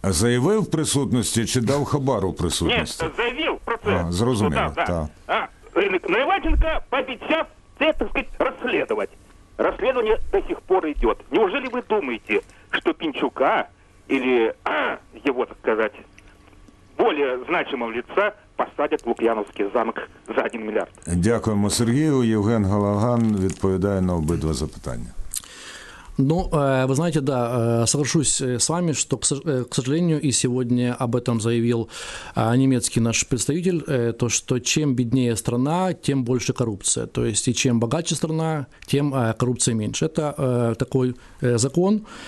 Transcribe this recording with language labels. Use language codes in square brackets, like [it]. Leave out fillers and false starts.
[uk] Заявив в присутності чи дав хабар у присутності? Ні, заявив про це. Зрозуміло, так. Наливайченка пообіцяв це, так сказати, розслідувати. Розслідування до сих пор йде. Неужели ви думаєте, що Пінчука, або його, так сказати, [ru] более значимого лица посадят в Лук'яновский замок за 1 миллиард. [uk] Дякуємо Сергію. Євген Галаган відповідає на обидва запитання. [ru] Ну, вы знаете, да, соглашусь с вами, что, к сожалению, и сегодня об этом заявил немецкий наш представитель, то, что чем беднее страна, тем больше коррупция. То есть, и чем богаче страна, тем коррупция меньше. Это такой закон.